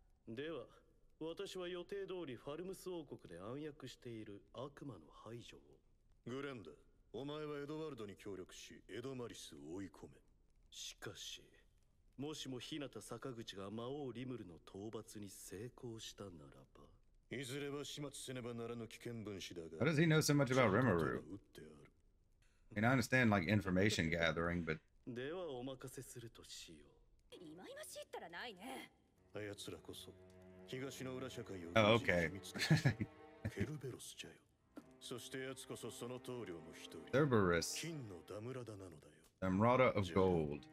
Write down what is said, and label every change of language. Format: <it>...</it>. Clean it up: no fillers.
<ja>では私は予定通りファルムス王国で暗躍している悪魔の排除を。グレンダ、お前はエドワルドに協力しエドマリスを追い込め。しかしもしもヒナタ坂口が魔王リムルの討伐に成功したならば、いずれは始末せねばならぬ危険分子だが。</ja> <en>How does he know so much about Rimuru? I mean, I understand like information gathering, but.</en> <ja>ではお任せするとしよう。いまいましいったらないね。あやつらこそ東の裏社会を。</ja> <en>Oh, okay.</en> <ja>ケルベロスじゃよ。そしてやつこそその棟梁の一人。</ja> <en>Cerberus.</en> <ja>金のダムラダなのだよ。</ja> <en>ダムラダ of gold.</en>